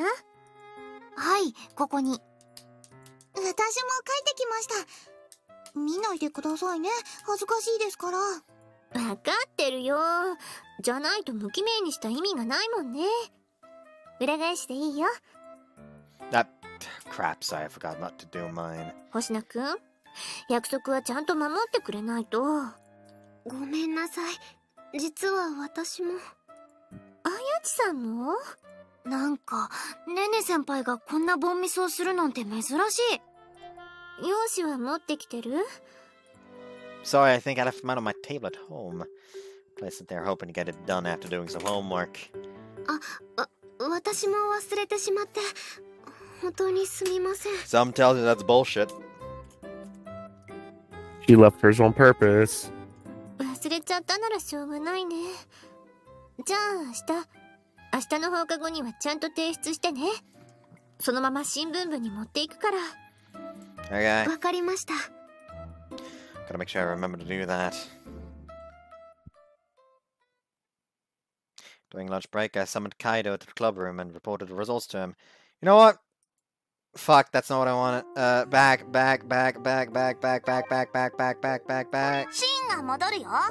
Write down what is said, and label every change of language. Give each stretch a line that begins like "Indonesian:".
Japanese: はい、ここに。私も書いてきました。見ないでくださいね。恥ずかしいですから。わかってるよ。じゃないと無記名にした意味がないもんね。裏返していいよ。
English: Crap, sorry, I forgot not to do mine.
Japanese: 星野くん、約束はちゃんと守ってくれないと。ごめんなさい。実は私も。あやちさんも？なんか、ねね先輩がこんな凡ミスをするなんて珍しい。用紙は持ってきてる？
English: Sorry, I think I left mine on my table at home. Place that they're hoping to get it done after doing some homework.
Japanese: あ、私も忘れてしまって。本当にすみません。
English: Some tells you that's bullshit. She left hers on purpose.
Japanese: 忘れちゃったならしょうがないね。じゃあ明日の放課後にはちゃんと提出してね。そのまま新聞部に持っていくから。
English: Okay.
Japanese: わかりました。
English: Gotta make sure I remember to do that. During lunch break, I summoned Kaido to the club room and reported the results to him. You know what? Fuck, that's not what I wanted. Back.
Japanese: シーンが戻るよ。